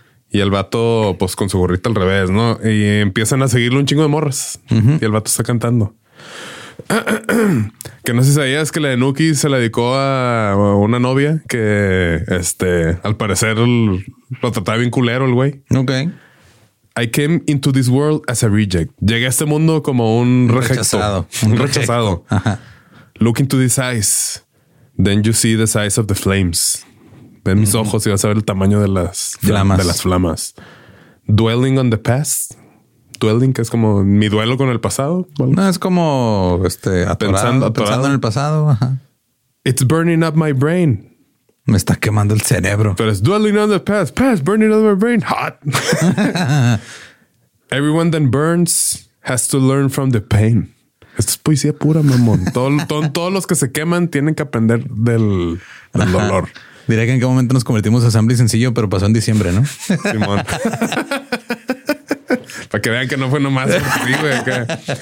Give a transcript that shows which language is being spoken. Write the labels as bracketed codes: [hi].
[es] Y el vato, pues con su gorrita al revés, ¿no? Y empiezan a seguirle un chingo de morras. Y el vato está cantando. Que no sé si sabías que la de Nuki se la dedicó a una novia que, al parecer lo trataba bien culero el güey. Ok. [en] I came into this world as a reject. [es] Llegué a este mundo como un rechazado. [en] Ajá. Look into these eyes. Then you see the size of the flames. [es] Ven mis ojos y vas a ver el tamaño de las flamas. [en] Dwelling on the past. [es] Dwelling, que es como mi duelo con el pasado. No, es como pensando en el pasado. Ajá. It's burning up my brain. Me está quemando el cerebro. [en] Pero es dwelling on the past. Past burning up my brain. Hot. Everyone that burns has to learn from the pain. [es] Esto es poesía pura, mamón. Todos los que se queman tienen que aprender del dolor. Diría que en qué momento nos convertimos a Asamble Sencillo, pero pasó en diciembre, ¿no? Simón. Para que vean que no fue nomás. Sí, güey, acá.